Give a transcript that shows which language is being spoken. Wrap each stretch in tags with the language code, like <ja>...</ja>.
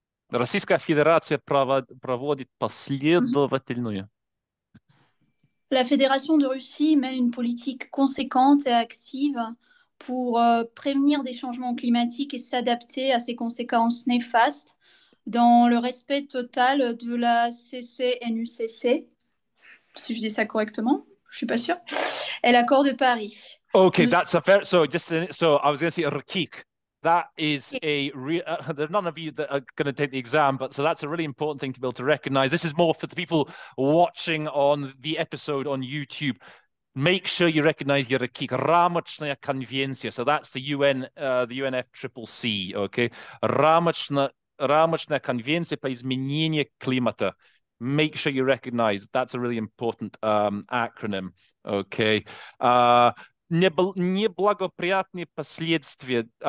<ru>Российская Федерация проводит последовательную.</ru> <fr>La Fédération de Russie mène une politique conséquente et active pour prévenir des changements climatiques et s'adapter à ces conséquences néfastes dans le respect total de la CCNUCC. Si je dis ça correctement, je suis pas sûre. Et l'accord de Paris.</fr> <en>Okay, that's a fair. So I was going to say Rukik. That is a real. There are none of you that are going to take the exam, but so that's a really important thing to be able to recognize. This is more for the people watching on the episode on YouTube. Make sure you recognize your Rukik.</en> <ru>Рамочная конвенция.</ru> <en>So that's the UN, the UNFCCC.</en> <ru>Okay, Рамочная конвенция по изменению климата.</ru> <en>Make sure you recognize that's a really important acronym. Okay.</en> <ru>Неблагоприятные последствия.</ru>